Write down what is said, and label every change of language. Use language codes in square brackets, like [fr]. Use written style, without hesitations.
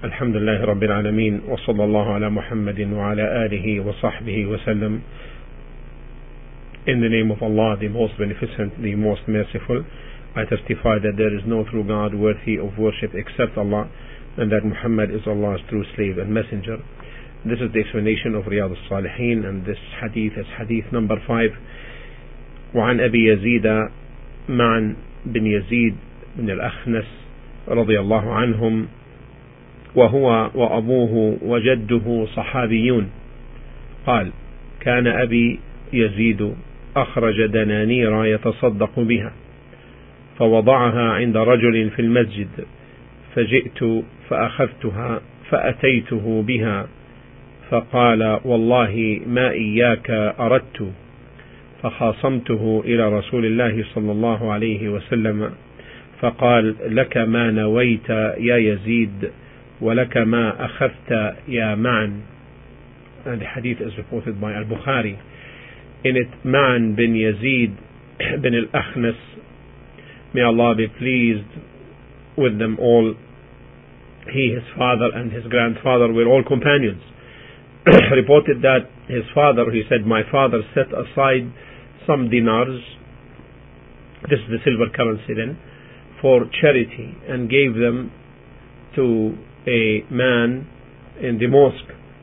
[ar] الحمد لله رب العالمين، وصلى الله على محمد وعلى آله وصحبه وسلم. [en] In the name of Allah, the Most Beneficent, the Most Merciful, I testify that there is no true God worthy of worship except Allah, and that Muhammad is Allah's true slave and messenger. This is the explanation of Riyad al-Salihin, and this hadith is hadith number 5. [ar] وعن أبي يزيد معن بن يزيد بن الأخنس رضي الله عنهم وهو وأبوه وجده صحابيون قال كان أبي يزيد أخرج دنانير يتصدق بها فوضعها عند رجل في المسجد فجئت فأخذتها فأتيته بها فقال والله ما إياك أردت فخاصمته إلى رسول الله صلى الله عليه وسلم فقال لك ما نويت يا يزيد ولك ما أخذت يا معن. [en] And the hadith is reported by Al-Bukhari. In it, Ma'an bin Yazid bin Al-Akhnas, may Allah be pleased with them all, he, his father, and his grandfather were all companions, reported that his father, he said, my father set aside some dinars, this is the silver currency then, for charity, and gave them to a man in the mosque.